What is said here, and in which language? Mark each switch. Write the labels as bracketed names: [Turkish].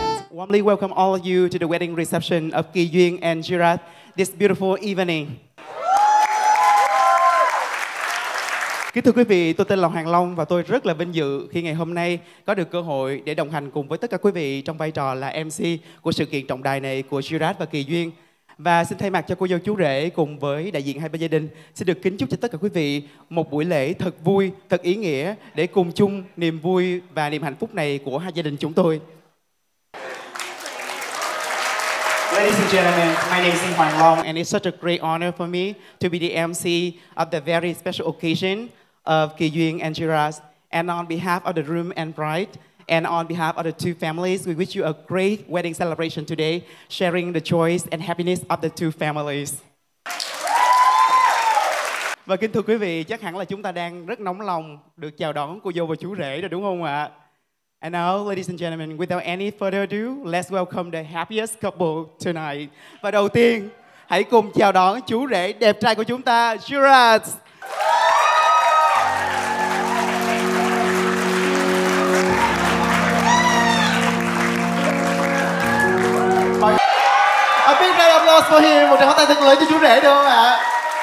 [English] Warmly welcome all of you to the wedding reception of Ki Yuen and Jirat this beautiful evening. [Vietnamese] Kính thưa quý vị, tôi tên Lòng Hàng Long và tôi rất là vinh dự khi ngày hôm nay có được cơ hội để đồng hành cùng với tất cả quý vị trong vai trò là MC của sự kiện trọng đài này của Jirat và Ki Yuen. Và xin thay mặt cho cô dâu chú rể cùng với đại diện hai bên gia đình xin được kính chúc cho tất cả quý vị một buổi lễ thật vui, thật ý nghĩa để cùng chung niềm vui và niềm hạnh phúc này của hai gia đình chúng tôi. [English] Ladies and gentlemen, my name is Xin Hoàng Long, and it's such a great honor for me to be the MC of the very special occasion of Ki Yuen and Jirat. And on behalf of the groom and bride, and on behalf of the two families, we wish you a great wedding celebration today, sharing the joys and happiness of the two families. [Vietnamese] Và kính thưa quý vị, chắc hẳn là chúng ta đang rất nóng lòng được chào đón cô dâu và chú rể rồi đúng không ạ? [English] And now, ladies and gentlemen, without any further ado, let's welcome the happiest couple tonight. [Vietnamese] Và đầu tiên, hãy cùng chào đón chú rể đẹp trai của chúng ta, Jirat. [English] A big round of applause for him. [Vietnamese] Một tràng pháo tay thật lớn cho chú rể được không ạ?